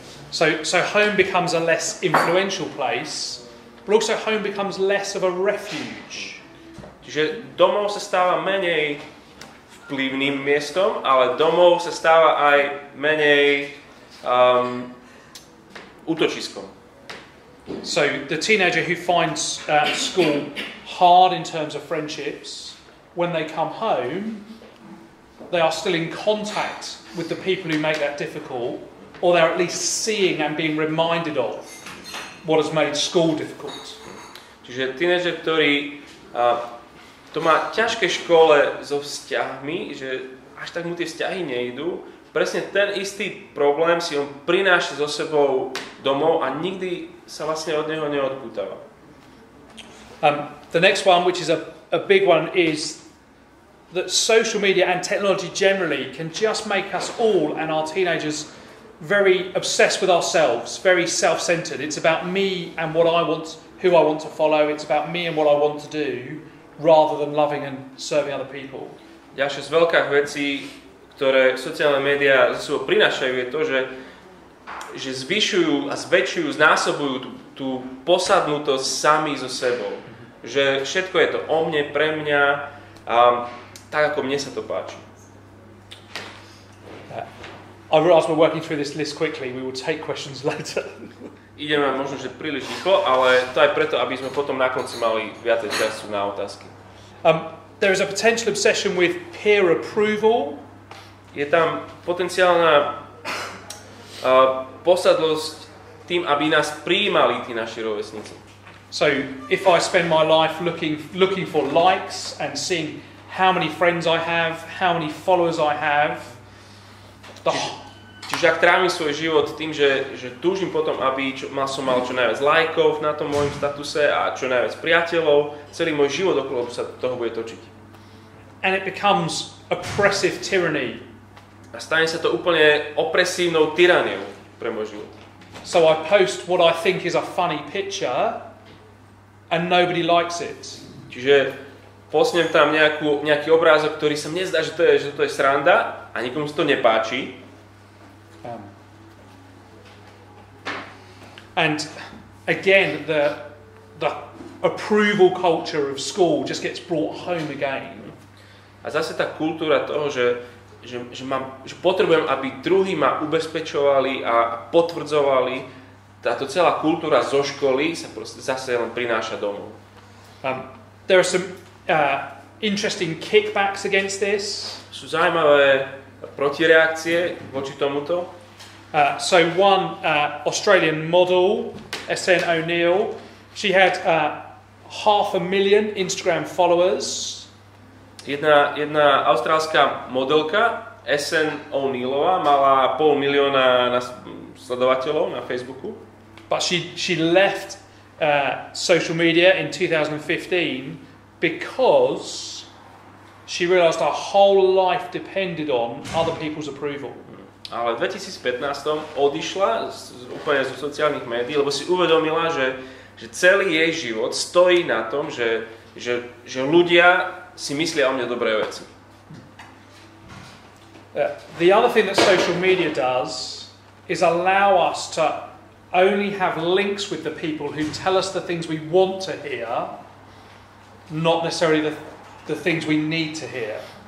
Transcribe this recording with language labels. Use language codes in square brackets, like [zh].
[en] So home becomes a less influential place, but also home becomes less of a refuge. [sk] Čiže domov sa stáva menej vplyvným miestom, ale domov sa stáva aj menej útočiskom. [en] So the teenager who finds school hard in terms of friendships, when they come home, they are still in contact with the people who make that difficult, or they're at least seeing and being reminded of what has made school difficult. [sk] Čiže tínedžer, ktorý to má ťažké v škole so vzťahmi, že až tak mu tie vzťahy nejdu, presne ten istý problém si on prináša so sebou domov a nikdy sa vlastne od neho neodpútava. [en] The next one, which is a big one, is that social media and technology generally can just make us all and our teenagers very obsessed with ourselves, very self-centered. It's about me and what I want, who I want to follow. It's about me and what I want to do, rather than loving and serving other people. [sk] Ďalšia z veľkých vecí, ktoré sociálne médiá zo sebou prinášajú, je to, že zvyšujú a zväčšujú, znásobujú tú posadnutosť sami so sebou. Že všetko je to o mne, pre mňa, a tak, ako mne sa to páči. [en] I realize we're working through this list quickly. We will take questions later. [sk] Ideme možno, že príliš rýchlo, ale to aj preto, aby sme potom na konci mali viacej času na otázky. [en] There is a potential obsession with peer approval. [sk] Je tam potenciálna posadlosť tým, aby nás prijímali tí naši rovesníci. [en] So if I spend my life looking for likes and seeing how many friends I have, how many followers I have. [sk] Čiže ak trávim svoj život tým, že túžim potom, aby som mal čo najviac lajkov na tom môjom statuse a čo najviac priateľov, celý môj život okolo sa toho bude točiť. [en] And it becomes oppressive tyranny. [sk] A stane sa to úplne opresívnou tyraniou pre môj život. [en] So I post what I think is a funny picture and nobody likes it. [sk] Čiže posnem tam nejaký obrázok, ktorý sa mne zdá, že to je sranda a nikomu sa to nepáči. [en] And again the approval culture of school just gets brought home again. [sk] A zase tá kultúra toho, že potrebujem, aby druhí ma ubezpečovali a potvrdzovali, táto celá kultúra zo školy sa proste zase len prináša domov. [en] There are some interesting kickbacks against this. [sk] Sú zaujímavé protireakcie voči tomuto. [en] So one Australian model, SN O'Neill, she had half a million Instagram followers. [sk] Jedna austrálska modelka, SN O'Neillová, mala 500,000 sledovateľov na Facebooku. [en] But she left social media in 2015 because she realized her whole life depended on other people's approval. [sk] Ale v 2015 odišla úplne zo sociálnych médií, lebo si uvedomila, že celý jej život stojí na tom, že ľudia si myslia o mne dobré veci. [en] The other thing that social media does is allow us to only have links with the people who tell us the things we want to hear, not necessarily the things we need to hear.